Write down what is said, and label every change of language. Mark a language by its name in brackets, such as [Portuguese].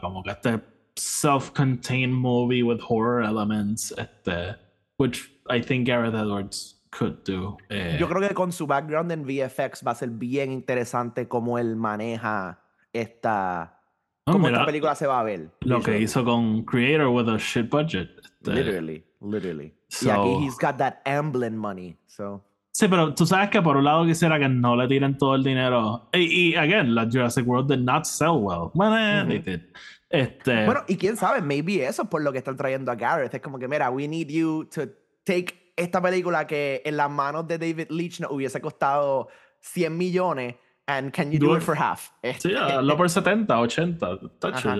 [Spanish] Como que este [English] self-contained movie with horror elements, which I think Gareth Edwards could do. [Spanish] Yo creo que con su background en VFX va a ser bien interesante cómo él maneja esta... cómo esta película se va a ver. Que hizo con [English] Creator with a shit budget. Literally. So, [Spanish] y aquí [English] he's got that Amblin money, so... [Spanish] Sí, pero tú sabes que por un lado quisiera que no le tiren todo el dinero. [English] Y again, la Jurassic World did not sell well. Bueno, mm-hmm. They did. [Spanish] Bueno, y quién sabe, maybe eso es por lo que están trayendo a Gareth. Es como que, mira, [English] we need you to take [Spanish] esta película que en las manos de David Leitch nos hubiese costado 100 millones [English] and can you do it for half? [Spanish] Sí, lo por 70, 80. Está chulo.